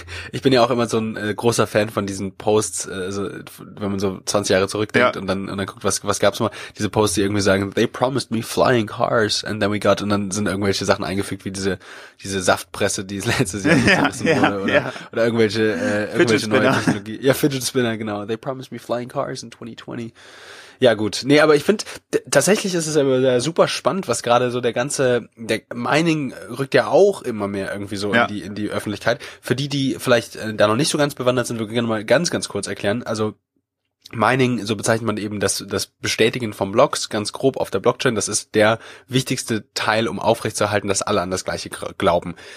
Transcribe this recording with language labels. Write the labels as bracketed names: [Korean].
[German] Ich bin ja auch immer so ein großer Fan von diesen Posts, also wenn man so 20 Jahre zurückdenkt und dann guckt, was gab's mal, diese Posts, die irgendwie sagen, [English] they promised me flying cars and then we got, [German] und dann sind irgendwelche Sachen eingefügt, wie diese Saftpresse, die es letztes Jahr oder irgendwelche neue Technologie. Ja, Fidget Spinner, genau. [English] They promised me flying cars in 2020. [German] Ja gut, nee, aber ich finde, tatsächlich ist es aber super spannend, was gerade so der Mining rückt ja auch immer mehr irgendwie so in die Öffentlichkeit. Für die vielleicht da noch nicht so ganz bewandert sind, würde ich gerne mal ganz, ganz kurz erklären. Also Mining, so bezeichnet man eben das Bestätigen von Blocks ganz grob auf der Blockchain, das ist der wichtigste Teil, um aufrechtzuerhalten, dass alle an das Gleiche glauben.